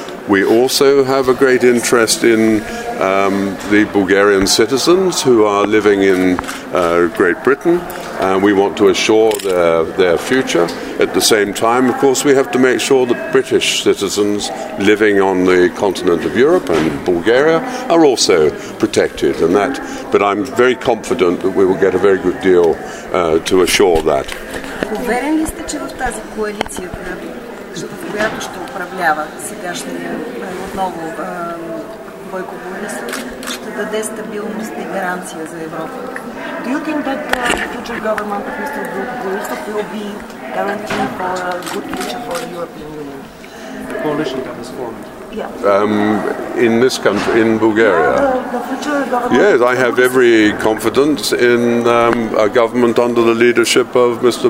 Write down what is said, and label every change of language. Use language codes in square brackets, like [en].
[en] We also have a great interest in the Bulgarian citizens who are living in Great Britain, and we want to assure their future. At the same time, of course, we have to make sure that British citizens living on the continent of Europe and Bulgaria are also protected. And that, but I'm very confident that we will get a very good deal to assure that. [bg] Уверен ли сте, че в тази коалиция, която ще управлява сегашния отново Бойко Борисов, ще даде стабилност и гаранция за Европа? [en] Do you think that the future government of Mr. Borisov will be guaranteed for a good future for the European Union? The coalition that is formed. In this country, in Bulgaria. Yes, I have every confidence in a government under the leadership of Mr.